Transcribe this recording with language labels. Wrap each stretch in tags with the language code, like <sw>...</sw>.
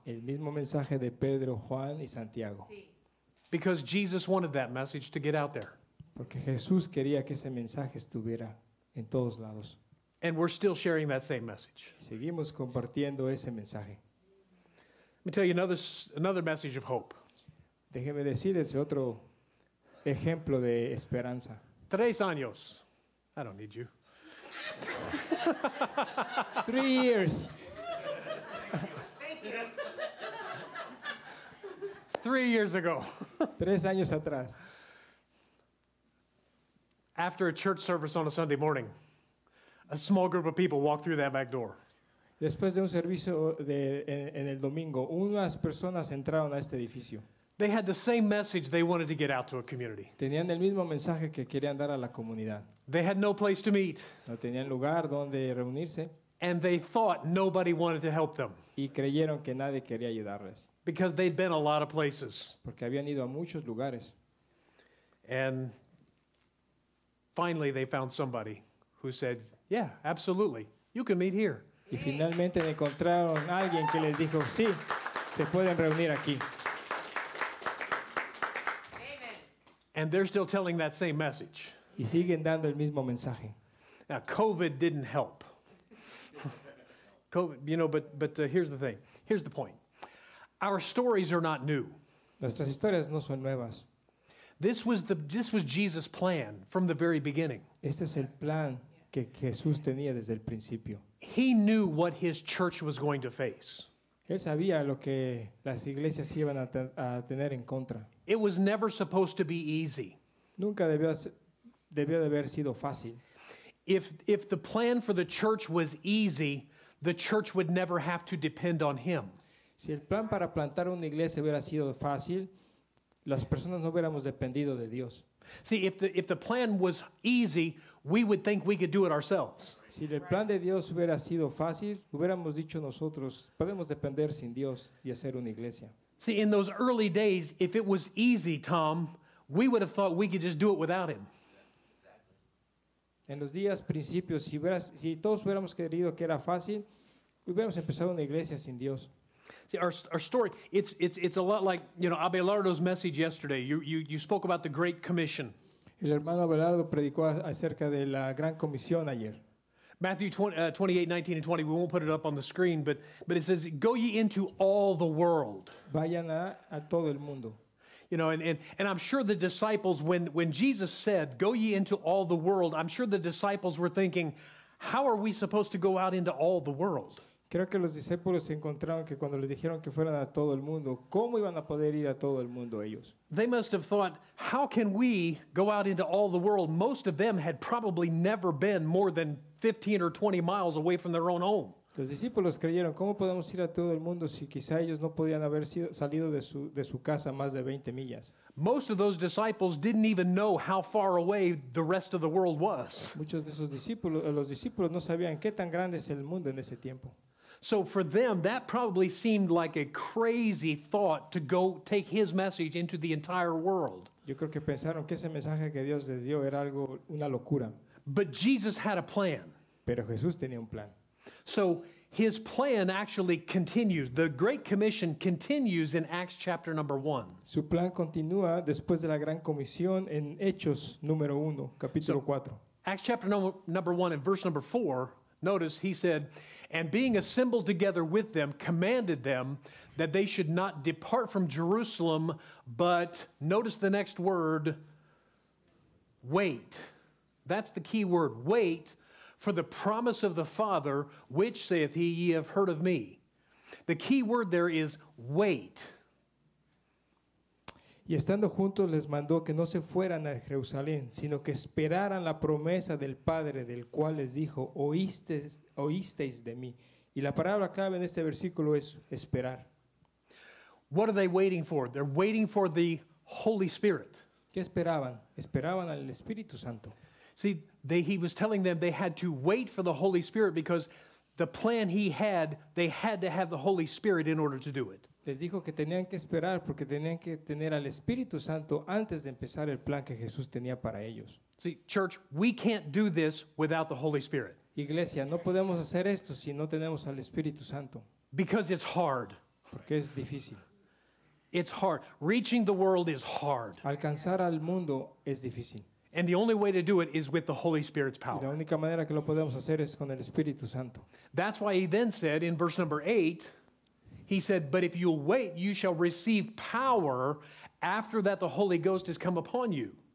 <es>El mismo mensaje de Pedro, Juan y Santiago.</es> <en>Because Jesus wanted that message to get out there.</en> <es>Porque Jesús quería que ese mensaje estuviera en todos lados.</es> <en>And we're still sharing that same message.</en> <es>Seguimos compartiendo ese mensaje.</es> <en>Let me tell you another message of hope.</en> <es>Déjeme decirles otro ejemplo de esperanza. 3 años.</es> <en>I don't need you. 3 years. Thank you. 3 years ago.</en> <es>3 años atrás.</es> <en>After a church service on a Sunday morning, a small group of people walked through that back door.</en> <es>Después de un servicio en el domingo, unas personas entraron a este edificio.</es> <en>They had the same message they wanted to get out to a community.</en> <es>Tenían el mismo mensaje que querían dar a la comunidad.</es> <en>They had no place to meet.</en> <es>No tenían lugar donde reunirse.</es> <en>And they thought nobody wanted to help them.</en> <es>Y creyeron que nadie quería ayudarles.</es> <en>Because they'd been a lot of places.</en> <es>Porque habían ido a muchos lugares.</es> <en>And finally they found somebody who said, "Yeah, absolutely. You can meet here."</en> <es>Y finalmente encontraron a alguien que les dijo, "Sí, se pueden reunir aquí."</es> <en>And they're still telling that same message.</en> <es>Y siguen dando el mismo mensaje.</es> <en>Now, COVID didn't help. COVID, you know, but here's the thing. Here's the point. Our stories are not new.</en> <es>Nuestras historias no son nuevas.</es> <en>This was Jesus' plan from the very beginning.</en> <es>Este es el plan que Jesús tenía desde el principio.</es> <en>He knew what his church was going to face.</en> <es>Él sabía lo que las iglesias iban a tener en contra.</es> <en>It was never supposed to be easy.</en> <es>Nunca debió de haber sido fácil.</es> <en>If the plan for the church was easy, the church would never have to depend on him.</en> <es>Si el plan para plantar una iglesia hubiera sido fácil, las personas no hubiéramos dependido de Dios.</es> <en>See, if the plan was easy, we would think we could do it ourselves.</en> <es>Si el plan de Dios hubiera sido fácil, hubiéramos dicho nosotros, podemos depender sin Dios y hacer una iglesia.</es> <en>See, in those early days, if it was easy, Tom, we would have thought we could just do it without him.</en> <es>En los días principios, si todos hubiéramos querido que era fácil, hubiéramos empezado una iglesia sin Dios.</es> <en>See, our story, it's a lot like, you know, Abelardo's message yesterday. You spoke about the Great Commission.</en> <es>El hermano Abelardo predicó acerca de la Gran Comisión ayer.</es> <en>Matthew 28:19-20, we won't put it up on the screen, but it says, go ye into all the world.</en> <es>Vayan a todo el mundo.</es> <en>You know, and I'm sure the disciples, when Jesus said, go ye into all the world, I'm sure the disciples were thinking, how are we supposed to go out into all the world?</en> <es>Creo que los discípulos se encontraron que cuando les dijeron que fueran a todo el mundo, ¿cómo iban a poder ir a todo el mundo ellos?</es> <en>They must have thought, how can we go out into all the world? Most of them had probably never been more than 15 or 20 miles away from their own home.</en> <es>Los discípulos creyeron, ¿cómo podemos ir a todo el mundo si quizá ellos no podían haber salido de su casa más de 20 millas?</es> <en>Most of those disciples didn't even know how far away the rest of the world was.</en> <es>Muchos de esos discípulos, los discípulos no sabían qué tan grande es el mundo en ese tiempo.</es> <en>So for them, that probably seemed like a crazy thought to go take his message into the entire world.</en> <es>Yo creo que pensaron que ese mensaje que Dios les dio era algo, una locura.</es> <en>But Jesus had a plan.</en> <es>Pero Jesús tenía un plan.</es> <en>So his plan actually continues. The Great Commission continues in Acts chapter number 1.</en> <es>Su plan continúa después de la Gran Comisión en Hechos número 1, capítulo 4.</es> <en>Acts chapter number 1 and verse number 4. Notice he said, and being assembled together with them, commanded them that they should not depart from Jerusalem, but notice the next word, wait. That's the key word, wait for the promise of the Father, which saith he, ye have heard of me. The key word there is wait.</en> <es>Y estando juntos les mandó que no se fueran a Jerusalén, sino que esperaran la promesa del Padre, del cual les dijo, oísteis de mí. Y la palabra clave en este versículo es esperar.</es> <en>What are they waiting for? They're waiting for the Holy Spirit.</en> <es>¿Qué esperaban? Esperaban al Espíritu Santo.</es> <en>See, he was telling them they had to wait for the Holy Spirit because the plan he had, they had to have the Holy Spirit in order to do it.</en> <es>Les dijo que tenían que esperar porque tenían que tener al Espíritu Santo antes de empezar el plan que Jesús tenía para ellos.</es> <en>See, church, we can't do this without the Holy Spirit.</en> <es>Iglesia, no podemos hacer esto si no tenemos al Espíritu Santo.</es> <en>Because it's hard.</en> <es>Porque es difícil.</es> <en>It's hard. Reaching the world is hard.</en> <es>Alcanzar al mundo es difícil.</es> <en>And the only way to do it is with the Holy Spirit's power.</en> <es>La única manera que lo podemos hacer es con el Espíritu Santo.</es> <en>That's why he then said in verse number 8, he said, but if you'll wait, you shall receive power after that the Holy Ghost has come upon you.</en>